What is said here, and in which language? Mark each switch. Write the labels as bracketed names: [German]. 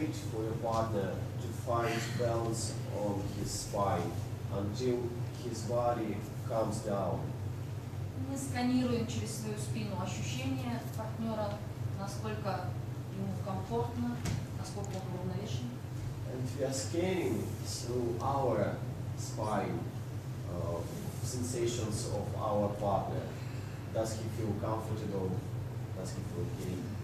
[English] For your partner to find balance on his spine until his body comes down. [Russian] Мы сканируем через свою спину ощущения партнера, насколько ему комфортно, насколько он уравновешен. [English] And we are scanning through our spine sensations of our partner. Does he feel comfortable? Does he feel okay?